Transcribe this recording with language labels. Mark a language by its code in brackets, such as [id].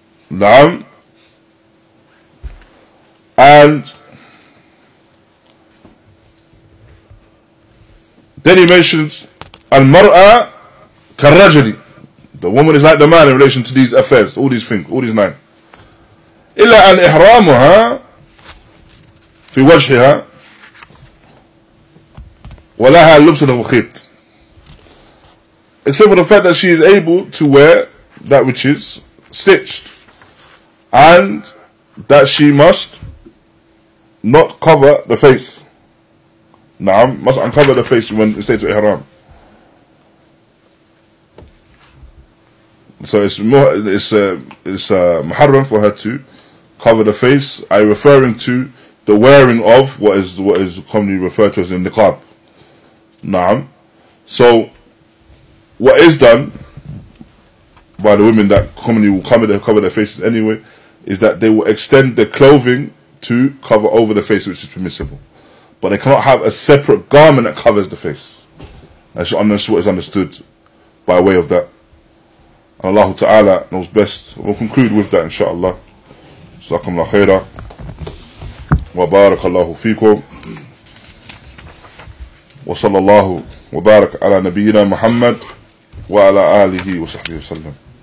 [en] Naam. And then he mentions, [ar] al-mar'a karrajali. [en] The woman is like the man in relation to these affairs, all these things, all these nine. [ar] إلا أن إحرامها في وجهها ولها لبس المخيط. [en] Except for the fact that she is able to wear that which is stitched, and that she must not cover the face. Naam, must uncover the face when it's said to إحرام. So it's محرم for her to cover the face. I referring to the wearing of what is commonly referred to as the niqab. Naam. So, what is done by the women that commonly will cover their faces anyway, is that they will extend their clothing to cover over the face, which is permissible. But they cannot have a separate garment that covers the face. That's what is understood by way of that. And Allah Ta'ala knows best. We'll conclude with that, inshaAllah. [ar] جزاكم الله خيرا وبارك الله فيكم وصلى الله وبارك على نبينا محمد وعلى آله وصحبه وسلم.